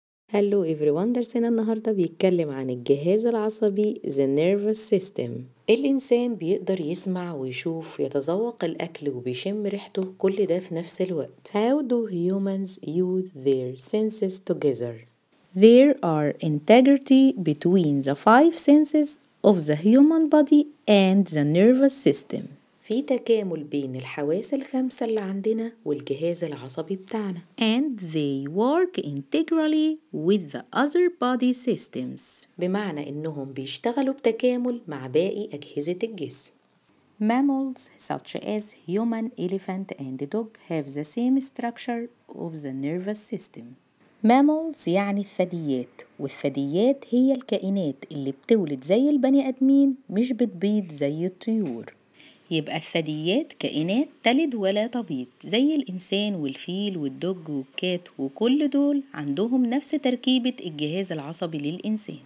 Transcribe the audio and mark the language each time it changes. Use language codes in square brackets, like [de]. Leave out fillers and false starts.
[en] hello everyone, [ar] درسنا النهاردة بيتكلم عن الجهاز العصبي [en] The Nervous System. [ar] الإنسان بيقدر يسمع ويشوف يتذوق الأكل وبيشم ريحته، كل ده في نفس الوقت. [en] How do humans use their senses together? There are integrity between the five senses of the human body and the nervous system. [ar] في تكامل بين الحواس الخمسة اللي عندنا والجهاز العصبي بتاعنا. [en] And they work integrally with the other body systems. [ar] بمعنى انهم بيشتغلوا بتكامل مع باقي اجهزة الجسم. [en] Mammals such as human, elephant and dog have the same structure of the nervous system. [ar] Mammals يعني الثدييات، والثدييات هي الكائنات اللي بتولد زي البني ادمين، مش بتبيض زي الطيور. يبقى الثدييات كائنات تلد ولا تبيض زي الإنسان والفيل والدج والكات، وكل دول عندهم نفس تركيبة الجهاز العصبي للإنسان.